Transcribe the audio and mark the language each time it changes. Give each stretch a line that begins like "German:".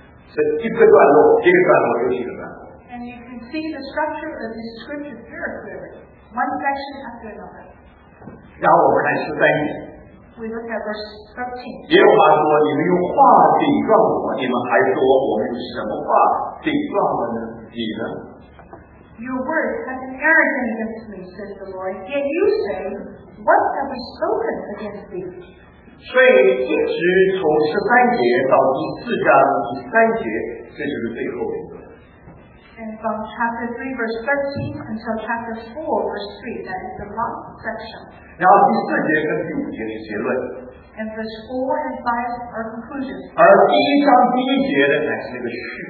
Chinese: 所以你看这里的结构很自然的，你如果读上下文都很清楚。这一个段落，一个段落有几个段落？
English: And you can see the structure of this scripture very clearly. One section after another.
Chinese: 然后我们看十三节。
English: We look at verse 13.
Chinese: 耶和华说：“你们用话顶撞我，你们还说我们用什么话顶撞了呢？你呢？”
English: Your word has been arrogant against me, says the Lord. Yet you say, "What have we spoken against thee?"
Chinese: 所以，一直从十三节到第四章第三节，这就是最后一个。
English: And from chapter 3, verse 13, until chapter 4, verse 3, that is the last section.
Chinese: 然后第四节跟第五节是结论。
English: And verse 4 and 5 are conclusions.
Chinese: 而第一章第一节的乃是那个序。